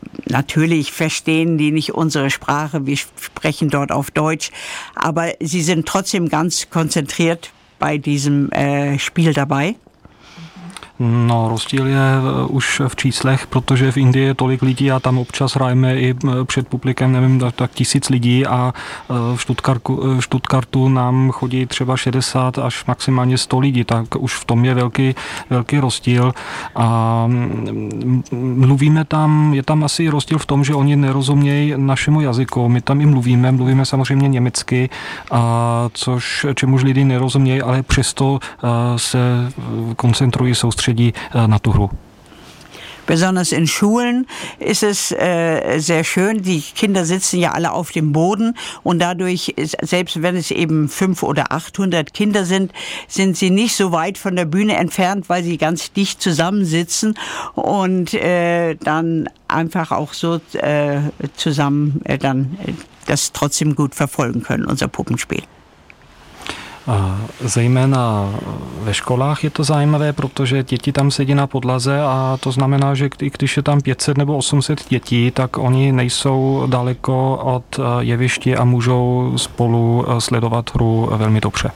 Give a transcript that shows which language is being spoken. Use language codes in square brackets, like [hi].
[de] Natürlich verstehen die nicht unsere Sprache. Wir sprechen dort auf Deutsch. Aber sie sind trotzdem ganz konzentriert bei diesem Spiel dabei. [cs] No, rozdíl je už v číslech, protože v Indii je tolik lidí a tam občas hrajeme i před publikem, nevím, tak 1000 lidí, a v Stuttgartu nám chodí třeba 60 až maximálně 100 lidí, tak už v tom je velký rozdíl. A mluvíme tam, je tam asi rozdíl v tom, že oni nerozumějí našemu jazyku. My tam i mluvíme samozřejmě německy, a což čemuž lidi nerozumějí, ale přesto se koncentrují, soustředí na tu hru. [de] Besonders in Schulen ist es sehr schön. Die Kinder sitzen ja alle auf dem Boden und dadurch, selbst wenn es eben 500 oder 800 Kinder sind, sind sie nicht so weit von der Bühne entfernt, weil sie ganz dicht zusammensitzen und dann einfach auch so zusammen dann das trotzdem gut verfolgen können, unser Puppenspiel. [cs] Zejména ve školách je to zajímavé, protože děti tam sedí na podlaze, a to znamená, že i když je tam 500 nebo 800 dětí, tak oni nejsou daleko od jeviště a můžou spolu sledovat hru velmi dobře.